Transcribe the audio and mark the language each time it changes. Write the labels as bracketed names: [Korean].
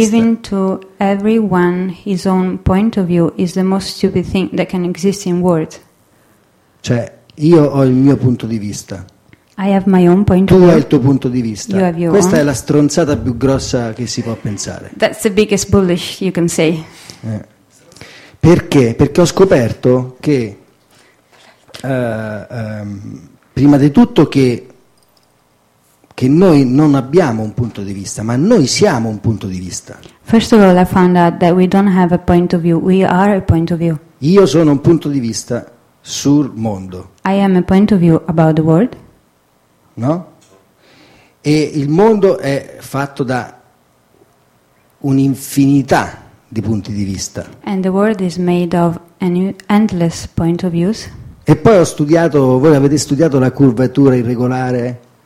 [English] Giving to everyone his own point of view is the most stupid thing that can exist in world. [Italian] Cioè, io ho il mio punto di vista. [English] I have my own point [Italian] tu [English] of view. [Italian] Hai il tuo punto di vista. [English] You have your [Italian] questa [English] own. [Italian] È la stronzata più grossa che si può pensare. [English] That's the biggest bullish you can say. [Italian] Perché? Perché ho scoperto che prima di tutto che noi non abbiamo un punto di vista, ma noi siamo un punto di vista. [English] First of all, I found out that we don't have a point of view. We are a point of view. [Italian] Io sono un punto di vista sul mondo. [English] I am a point of view about the world. [Italian] No? e il mondo è fatto da un'infinità di punti di vista. [English] And the world is made of an endless point of views. [Italian] E poi ho studiato, voi avete studiato la curvatura irregolare?